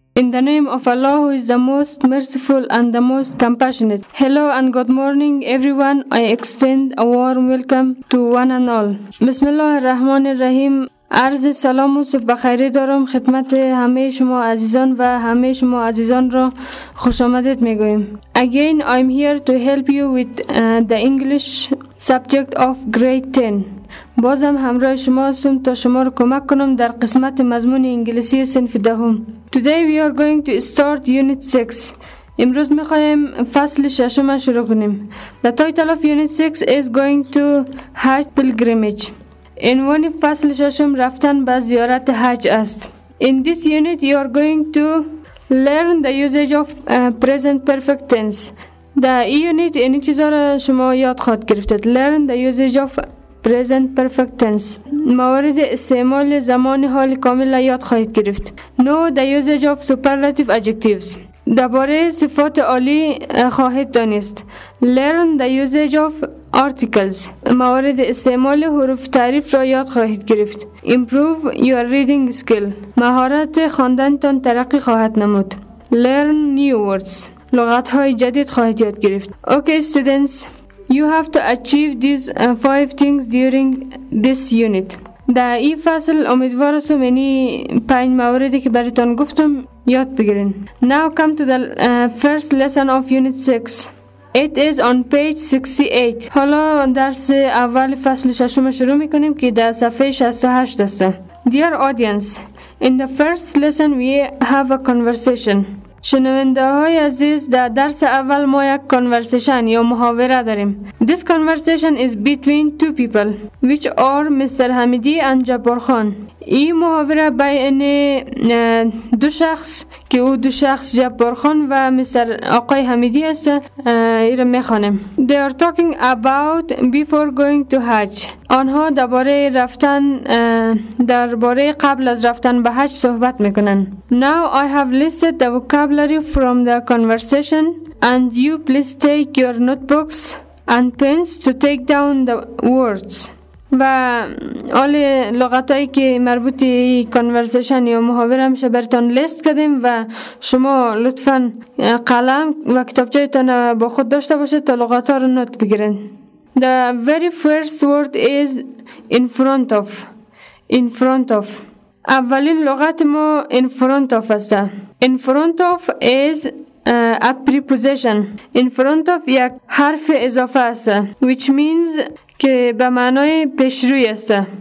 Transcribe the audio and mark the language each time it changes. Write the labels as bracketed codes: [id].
[en] In the name of Allah, who is the most merciful and the most compassionate. Hello and good morning, everyone. I extend a warm welcome to one and all. [ar] Bismillah ar-Rahman ar-Rahim. [fa] عرض سلام و صبح بخیری دارم خدمت همه شما عزیزان و همه شما عزیزان را خوش آمدید میگویم. [en] Again, I'm here to help you with the English subject of grade 10. [fa] بازم همراه شما هستم تا شما را کمک کنم در قسمت مضمون انگلیسی صنف دهم. [en] Today we are going to start unit 6. [fa] امروز میخواییم فصل ششم شروع کنیم. [en] The title of unit 6 is going to Hajj Pilgrimage. [fa] عنوان فصل ششم رفتن به زیارت حج است. [en] In this unit you are going to learn the usage of present perfect tense. The unit [fa] این چیزا را شما یاد خواهد گرفتید. [en] Learn the usage of present perfect tense. [fa] موارد استعمال زمان حال کامل را یاد خواهید گرفت. [en] Know the usage of superlative adjectives. [fa] درباره صفات عالی خواهید دانست. [en] Learn the usage of articles. [fa] موارد استعمال حروف تعریف را یاد خواهید گرفت. [en] Improve your reading skill. [fa] مهارت خواندنتان ترقی خواهد نمود. [en] Learn new words. [fa] لغت های جدید خواهید یاد گرفت. [en] Okay students, you have to achieve these five things during this unit. [fa] در این فصل امیدوار هستم این پنج موردی که براتون گفتم یاد بگیرین. [en] Now come to the first lesson of unit 6. It is on page 68. [fa] حالا درس اول فصل ششم شروع میکنیم که در صفحه 68 است. [en] Dear audience, in the first lesson we have a conversation. [fa] شنونده های عزیز در درس اول ما یک کانورسیشن یا محاوره داریم. [en] This conversation is between two people, which are Mr. [fa] Hamidi and Jabbar Khan. این محاوره بین دو شخص که او دو شخص Jabbar Khan و Mr. آقای حمیدی است ایر میخوانیم. [en] They are talking about before going to Hajj. [fa] آنها درباره رفتن درباره قبل از رفتن به حج صحبت میکنن. [en] Now I have listed the vocabulary from the conversation and you please take your notebooks and pens to take down the words. [fa] و اول لغتایی که مربوط به کانورسیشن یا محاوره میشه برتون لیست کردیم و شما لطفاً قلم و کتابچه‌تون با خود داشته باشید تا لغت‌ها رو نوت بگیرید. [en] The very first word is in front of. In front of. [fa] اولین لغت ما in front of است. [en] In front of is a preposition. [fa] In front of یک حرف اضافه است [en] which means [fa] که به معنای پیش روی است.